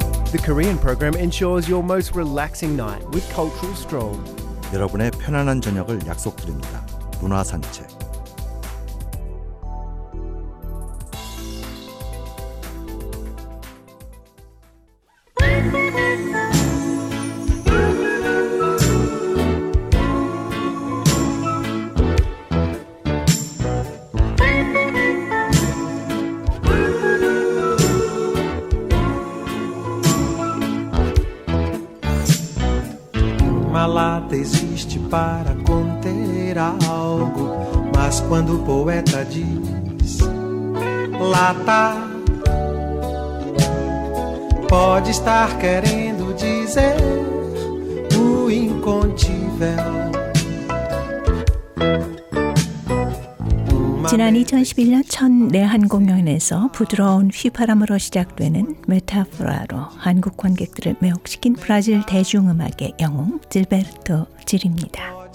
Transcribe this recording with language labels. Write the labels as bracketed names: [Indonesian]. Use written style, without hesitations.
[English] The Korean program ensures your most relaxing night with cultural stroll. [Korean] 여러분의 편안한 저녁을 약속드립니다. 문화 산책. [Portuguese] Existe para conter algo, mas quando o poeta diz lata, pode estar querendo dizer o incontível. [Korean] 지난 2011년 첫 내한 공연에서 부드러운 휘파람으로 시작되는 메타포라로 한국 관객들을 매혹시킨 브라질 대중음악의 영웅 질베르토 질입니다.